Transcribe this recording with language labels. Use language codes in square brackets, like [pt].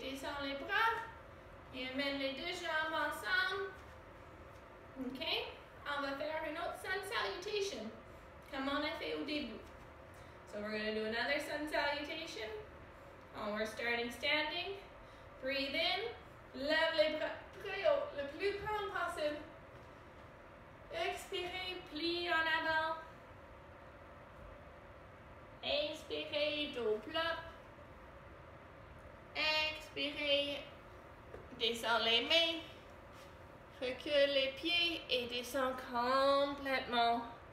[fr] Descends les bras et amène les deux jambes ensemble. OK? On va faire une autre sun salutation, comme on a fait au début. [en] So we're going to do another sun salutation. And we're starting standing. Breathe in. [fr] Lève les bras très haut, le plus grand possible. Expirez, plie en avant. Inspirez, dos plat. Expirez, descends les mains, recule les pieds et descends complètement.